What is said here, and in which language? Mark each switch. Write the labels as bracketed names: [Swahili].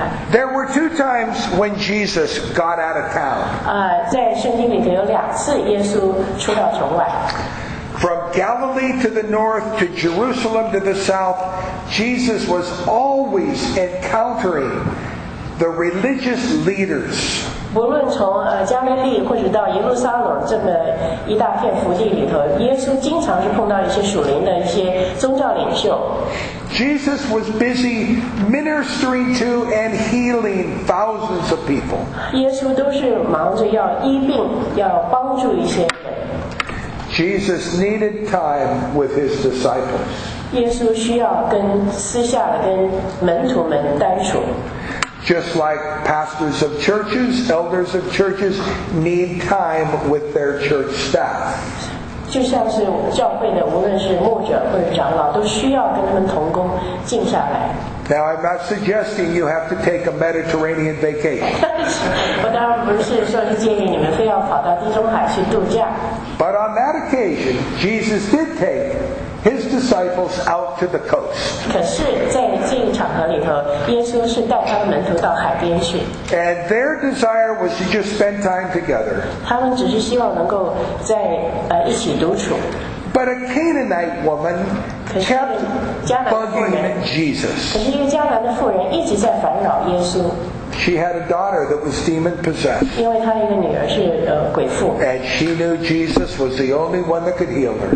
[English] There were 2 times when Jesus got out of town. From Galilee to the north, to Jerusalem to the south, Jesus was always encountering the religious leaders. [Chinese] 不论从加利利或者到耶路撒冷这么一大片福地里头，耶稣经常是碰到一些属灵的一些宗教领袖。 [English] Jesus was busy ministering to and healing thousands of people. [Chinese] 耶稣都是忙着要医病，要帮助一些。 [English] Jesus needed time with his disciples. [Chinese] 耶稣需要跟私下的跟门徒们待处。 [English] Just like pastors of churches, elders of churches need time with their church staff. [Chinese] 就像是教会的，无论是牧者或者长老，都需要跟他们同工静下来。 [English] Now I'm not suggesting you have to take a Mediterranean vacation. [Chinese] 我当然不是说是建议你们非要跑到地中海去度假。 [English] But on that occasion, Jesus did take his disciples out to the coast. [Chinese] 可是在这一场合里头，耶稣是带他的门徒到海边去。 [English] And their desire was to just spend time together. [Chinese] 他们只是希望能够在一起独处。 [English] But a Canaanite woman kept bugging Jesus. She had a daughter that was demon possessed. And she knew Jesus was the only one that could heal her.